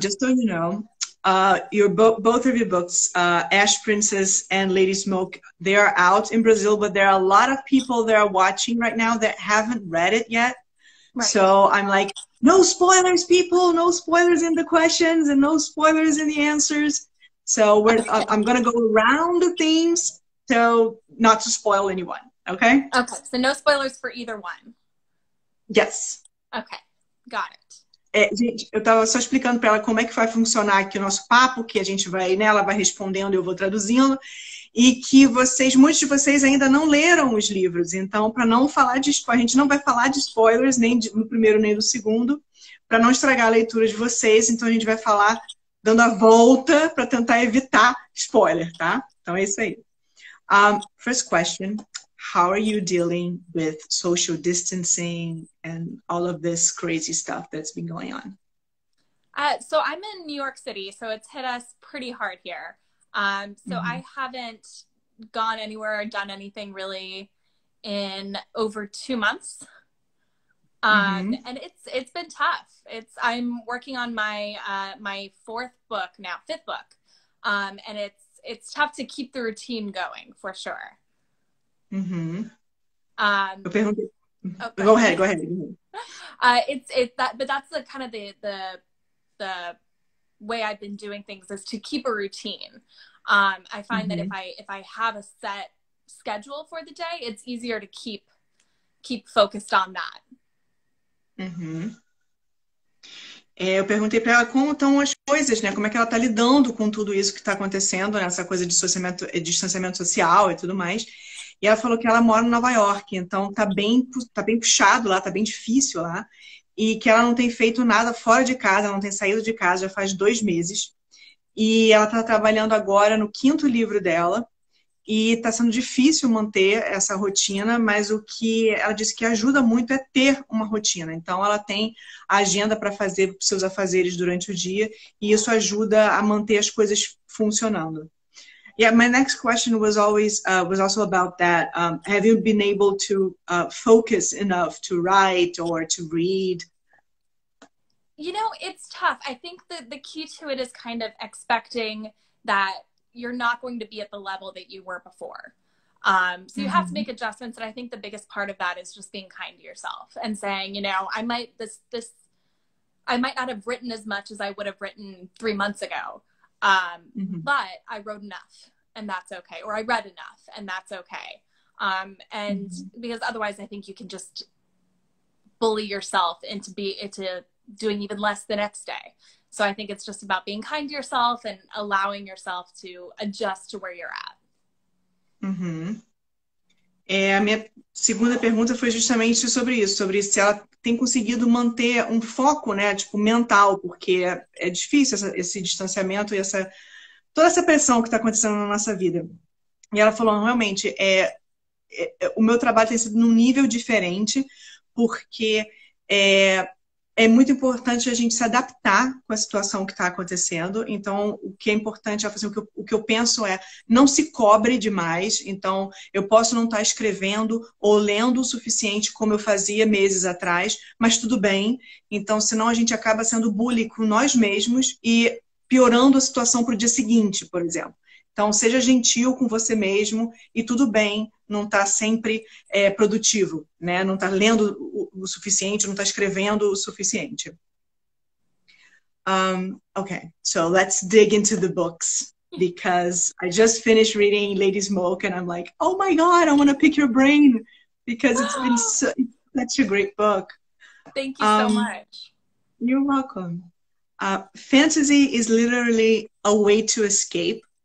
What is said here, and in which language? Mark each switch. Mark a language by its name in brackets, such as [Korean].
[English] Just so you know, your bo both of your books, Ash Princess and Lady Smoke, they are out in Brazil, but there are a lot of people that are watching right now that haven't read it yet. Right. So I'm like, no spoilers, people, no spoilers in the questions and no spoilers in the answers. So I'm gonna go around the themes so not to spoil anyone, okay? Okay, so no spoilers for either one. Yes. Okay, got it. [Portuguese] É, gente, eu tava só explicando para ela como é que vai funcionar aqui o nosso papo, que a gente vai, né, ela vai respondendo e eu vou traduzindo, e que vocês, muitos de vocês ainda não leram os livros, então para não falar de spoilers, a gente não vai falar de spoilers nem no primeiro nem no segundo, para não estragar a leitura de vocês, então a gente vai falar dando a volta para tentar evitar spoiler, tá? Então é isso aí. [English] First question. How are you dealing with social distancing and all of this crazy stuff that's been going on? So I'm in New York City, so it's hit us pretty hard here. So I haven't gone anywhere or done anything really in over 2 months. And it's been tough. I'm working on my fourth book now, fifth book. And it's tough to keep the routine going for sure. Oh, go Go ahead. ahead, go ahead. It's that, but that's the kind of the way I've been doing things is to keep a routine. I find that if I have a set schedule for the day, it's easier to keep focused on that. [Portuguese] É, eu perguntei para ela como estão as coisas, né? Como é que ela está lidando com tudo isso que está acontecendo, né? Essa coisa de distanciamento social e tudo mais. E ela falou que ela mora em Nova York, então tá bem puxado lá, tá bem difícil lá, e que ela não tem feito nada fora de casa, não tem saído de casa já faz 2 meses. E ela está trabalhando agora no quinto livro dela, e está sendo difícil manter essa rotina, mas o que ela disse que ajuda muito é ter uma rotina. Então ela tem a agenda para fazer seus afazeres durante o dia, e isso ajuda a manter as coisas funcionando. [English] Yeah, my next question was also about that. Have you been able to focus enough to write or to read? You know, it's tough. I think the key to it is kind of expecting that you're not going to be at the level that you were before. So you have to make adjustments, and I think the biggest part of that is just being kind to yourself and saying, you know, I might not have written as much as I would have written 3 months ago, but I wrote enough, and that's okay. Or I read enough, and that's okay. And because otherwise, I think you can just bully yourself into doing even less the next day. So I think it's just about being kind to yourself and allowing yourself to adjust to where you're at. [Portuguese] A minha segunda pergunta foi justamente sobre isso, sobre se ela tem conseguido manter um foco, né, tipo mental, porque é difícil esse distanciamento e essa toda essa pressão que está acontecendo na nossa vida. E ela falou, realmente, o meu trabalho tem sido num nível diferente, porque é muito importante a gente se adaptar com a situação que está acontecendo. Então, o que é importante é fazer o que eu penso é não se cobre demais. Então, eu posso não estar escrevendo ou lendo o suficiente como eu fazia meses atrás, mas tudo bem. Então, senão a gente acaba sendo bully com nós mesmos e piorando a situação para o dia seguinte, por exemplo. Então, seja gentil com você mesmo e tudo bem não estar tá sempre produtivo, né? Não estar tá lendo o suficiente, não estar tá escrevendo o suficiente. [English] Okay, so let's dig into the books because I just finished reading Lady Smoke and I'm like, oh my God, I want to pick your brain because it's been so, such a great book. Thank you so much. You're welcome. Fantasy is literally a way to escape.